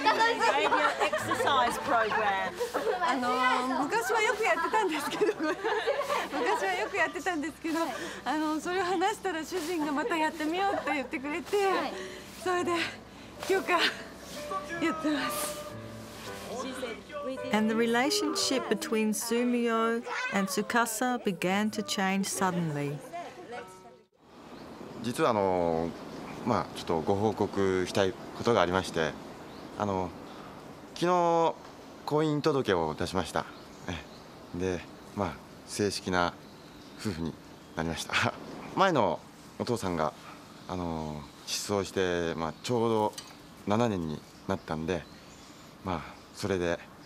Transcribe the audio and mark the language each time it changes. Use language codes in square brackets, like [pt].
[ja] あの昔はよくやってたんですけど昔はよくやってたんですけど、あのそれを話したら主人がまたやってみようって言ってくれて、それで許可やってます。 [en] And the relationship between Sumio and Tsukasa began to change suddenly. [ja] 実はあのまあちょっとご報告したいことがありまして、あの昨日婚姻届を出しました。で、まあ、正式な夫婦になりました。前のお父さんが失踪して、まあ、ちょうど7年になったんで、まあ、それで、